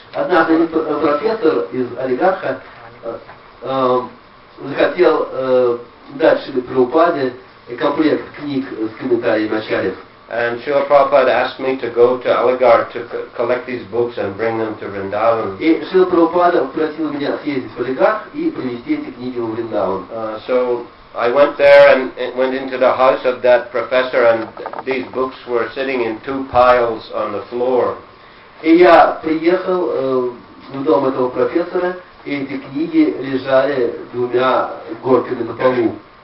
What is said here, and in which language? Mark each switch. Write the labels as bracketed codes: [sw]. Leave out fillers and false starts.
[ru] Однажды профессор из Алигарха захотел дать Шриле Прабхупаде комплект книг с комментариями ачарьев. [en] And Srila Prabhupada asked me to go to Aligarh to collect these books and bring them to Vrindavan. [ru] И Шрила Прабхупада попросил меня съездить в Алигарх и принести эти книги в Вриндаван. [en] So I went there and went into the house of that professor, and these books were sitting in 2 piles on the floor. [ru] И я приехал в дом этого профессора, и эти книги лежали двумя горками на полу.